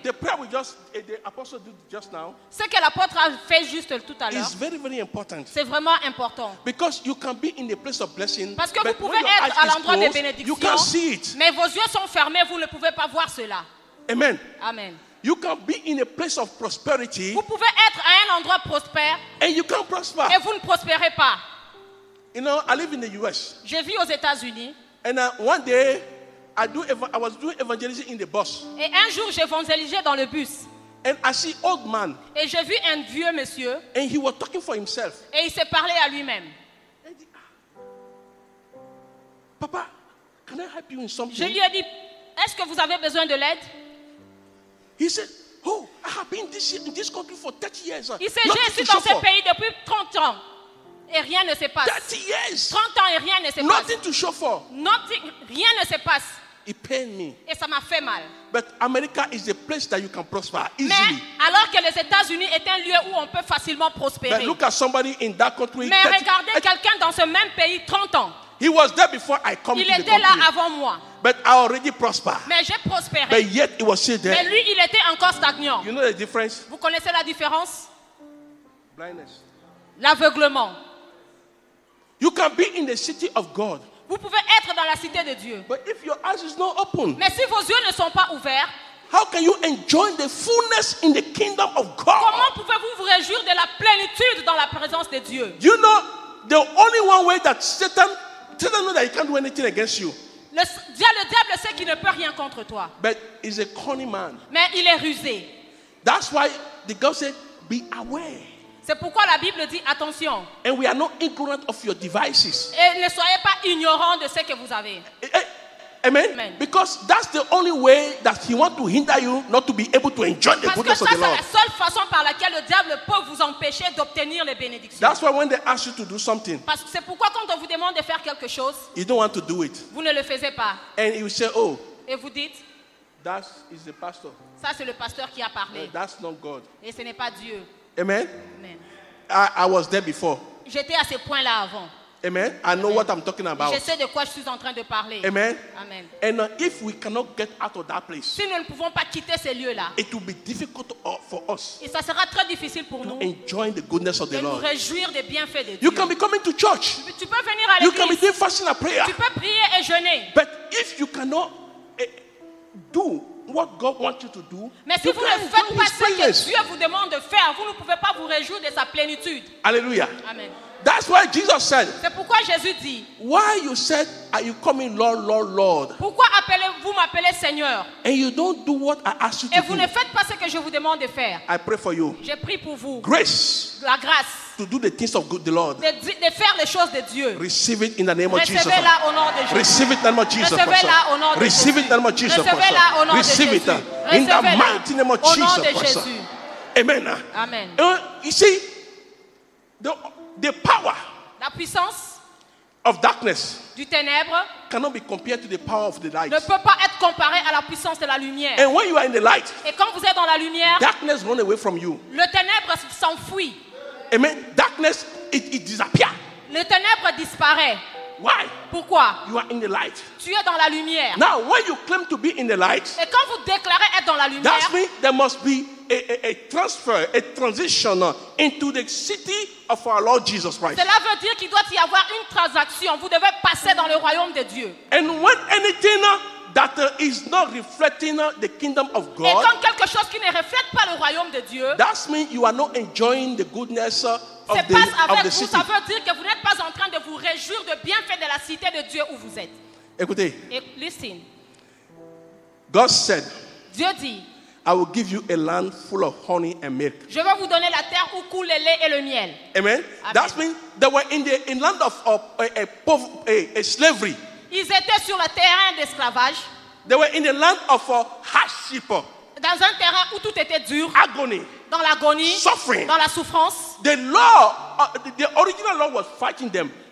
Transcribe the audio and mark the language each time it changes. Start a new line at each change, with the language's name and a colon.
English: The prayer we just the apostle did just now.
French: Ce que l'apôtre a fait juste tout à l'heure.
English: Is very very important.
French: C'est vraiment important.
English: Because you can be in the place of blessing.
French: Parce que vous pouvez être à l'endroit des bénédictions.
English: You can't see it.
French: Mais vos yeux sont fermés, vous ne pouvez pas voir cela. Amen. Amen.
English: You can be in a place of prosperity.
French: Vous pouvez être à un endroit prospère.
English: And you can't prosper.
French: Et vous ne prospérez pas.
English: You know, I live in the US.
French: Je vis aux États-Unis.
English: And one day, I was doing evangelism in the bus.
French: Et un jour, j'évangélisais dans le bus.
English: And I see old man.
French: Et j'ai vu un vieux monsieur.
English: And he was talking for himself.
French: Et il s'est parlé à lui-même.
English: And he said, Papa, can I help you in something?
French: Je lui ai dit, est-ce que vous avez besoin de l'aide?
English: He said, oh, I have been in this country for 30 years.
French: Il s'est dit, je suis dans ce pays depuis 30 ans. Et rien ne se passe.
English: 30 years.
French: 30 ans et rien ne se
English: Nothing
French: passe.
English: To show for. Nothing,
French: rien ne se passe.
English: It pained me.
French: Et ça m'a fait mal.
English: But America is a place that you can prosper easily.
French: Mais alors que les États-Unis est un lieu où on peut facilement prospérer.
English: But look at somebody in that country.
French: Mais regardez quelqu'un dans ce même pays 30 ans.
English: He was there before I come.
French: Il était là avant moi.
English: But I already prospered.
French: Mais j'ai prospéré.
English: But yet he was still there.
French: Mais lui, il était encore stagnant.
English: You know the difference?
French: Vous connaissez la différence?
English: Blindness.
French: L'aveuglement.
English: You can be in the city of God.
French: Vous pouvez être dans la cité de Dieu.
English: But if your eyes is not open,
French: mais si vos yeux ne sont pas ouverts,
English: how can you enjoy the fullness in the kingdom of God?
French: Comment pouvez-vous vous réjouir de la plénitude dans la présence de Dieu?
English: You know the only one way that Satan knows that he can't do anything against you.
French: Le diable sait qu'il ne peut rien contre toi.
English: But he's a cunning man.
French: Mais il est rusé.
English: That's why the God said, "Be aware."
French: C'est pourquoi la Bible dit attention.
English: And we are not ignorant of your devices.
French: Et ne soyez pas ignorants de ce que vous avez. Amen. Amen.
English: Because that's the only way that he wants to hinder you not to be able to enjoy the goodness of the Lord.
French: Parce que ça, c'est la seule façon par laquelle le diable peut vous empêcher d'obtenir les bénédictions.
English: That's why when they ask you to do something.
French: Parce que c'est pourquoi quand on vous demande de faire quelque chose,
English: you don't want to do it.
French: Vous ne le faisiez pas.
English: And you say, oh.
French: Et vous dites,
English: that is the pastor.
French: Ça, c'est le pasteur qui a parlé.
English: But that's not God.
French: Et ce n'est pas Dieu. Amen. Amen.
English: I was there before.
French: J'étais à ce point-là avant.
English: Amen. I know Amen. What I'm talking about.
French: Je sais de quoi je suis en train de parler. Amen. Amen.
English: And if we cannot get out of that place,
French: si nous ne pouvons pas quitter ce lieu-là,
English: it will be difficult for us.
French: Et ça sera très difficile pour nous.
English: Enjoying the goodness of the Lord.
French: De nous réjouir des bienfaits de Dieu.
English: You can be coming to church.
French: Tu peux venir à l'église.
English: You can be doing fasting and prayer.
French: Tu peux prier et jeûner.
English: But if you cannot do what God wants you to do,
French: mais si vous ne faites pas ce que Dieu vous demande de faire, vous ne pouvez pas vous réjouir de sa plénitude. Alléluia. Amen.
English: That's why Jesus said.
French: C'est pourquoi Jésus dit.
English: Why you said are you coming Lord, Lord, Lord?
French: Pourquoi appelez-vous m'appelez Seigneur?
English: And you don't do what I ask you to do.
French: Et vous ne faites pas ce que je vous demande de faire.
English: I pray for you.
French: Je prie pour vous.
English: Grace.
French: La grâce.
English: To do the things of good, the Lord.
French: De faire les choses de Dieu.
English: Receive it in the name of Jesus.
French: Recevez-la au nom de Jésus.
English: Receive it in the name of Jesus.
French: Recevez-la au nom de Jésus.
English: Receive it in the name of Jesus.
French: Recevez-la au nom de Jésus.
English: Receive it in the mighty name of Jesus.
French: Au nom de Jésus. Amen. Amen.
English: You see, the power,
French: la puissance,
English: of darkness,
French: du ténèbre,
English: cannot be compared to the power of the light.
French: Ne peut pas être comparé à la puissance de la lumière.
English: And when you are in the light,
French: et quand vous êtes dans la lumière,
English: darkness runs away from you.
French: Le ténèbre s'enfuit.
English: Amen. Darkness, it disappears.
French: Le ténèbre disparaît.
English: Why?
French: Pourquoi?
English: You are in the light.
French: Tu es dans la lumière.
English: Now, when you claim to be in the light,
French: et quand vous déclarez être dans la lumière,
English: that means there must be a transfer, a transition into the city of our Lord Jesus Christ.
French: Cela veut dire qu'il doit y avoir une transaction. Vous devez passer dans le royaume de Dieu.
English: And when anything that is not reflecting the kingdom of God,
French: et quand quelque chose qui ne reflète pas le royaume de Dieu,
English: that means you are not enjoying the goodness of the city.
French: C'est pas avec vous, ça veut dire que vous n'êtes pas en train de vous réjouir de bienfaits de la cité de Dieu où vous êtes. Écoutez.
English: Listen. God said,
French: Dieu dit,
English: I will give you a land full of honey and milk.
French: Je vais vous donner la terre où coule le lait et le miel. Amen. Amen.
English: That means they were in land of a slavery.
French: Ils étaient sur le terrain d'esclavage.
English: They were in the land of hardship.
French: Dans un terrain où tout était dur.
English: Agony.
French: Dans l'agonie.
English: Suffering.
French: Dans la souffrance.
English: The law, the original law was fighting them.